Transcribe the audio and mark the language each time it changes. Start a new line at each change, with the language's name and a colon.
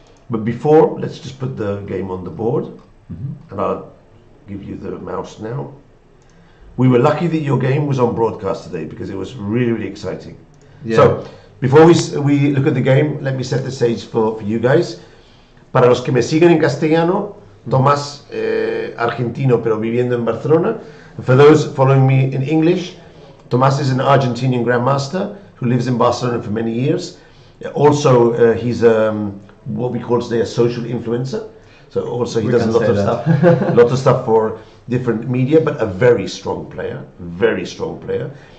English: But before, let's just put the game on the board. Mm-hmm. And I'll give you the mouse now. We were lucky that your game was on broadcast today because it was really, really exciting. Yeah. So before we look at the game, let me set the stage for you guys.
Spanish: Para los que me siguen en castellano, Tomás, argentino, pero viviendo en Barcelona.
English: For those following me in English, Tomás is an Argentinian grandmaster who lives in Barcelona for many years. Also, he's what we call today a social influencer. So also he does a lot of stuff for different media, but a very strong player, very strong player.